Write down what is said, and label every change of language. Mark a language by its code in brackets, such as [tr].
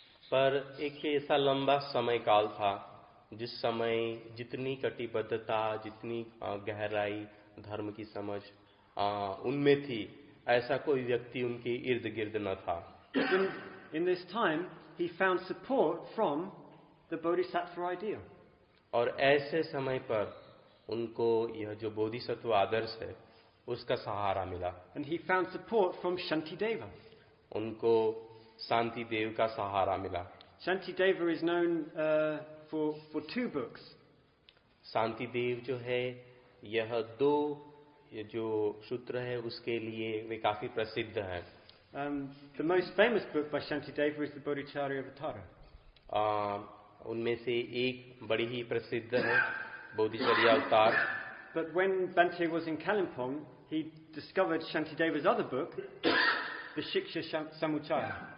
[hi] पर एक ऐसा लंबा समय काल था जिस समय जितनी कटिबद्धता, जितनी गहराई धर्म की समझ उनमें थी, ऐसा कोई व्यक्ति उनके इर्द गिर्द न था. [en] In this time, he found support from the Bodhisattva ideal. [hi] और ऐसे समय पर उनको यह जो बोधिसत्व आदर्श है उसका सहारा मिला. [en] And he found support from Shantideva. [hi] उनको शांति देव का सहारा मिला. [en] Shantideva is known for two books. [hi] शांति देव जो है यह दो जो सूत्र है उसके लिए वे काफी प्रसिद्ध है. [en] The most famous book by Shantideva is the Bodhicharya Avatara. [hi] उनमें से एक बड़ी ही प्रसिद्ध है बोधिचर्या अवतार. [en] But when Bhante was in Kalimpong, he discovered Shantideva's other book, the Shiksha Samuchaya.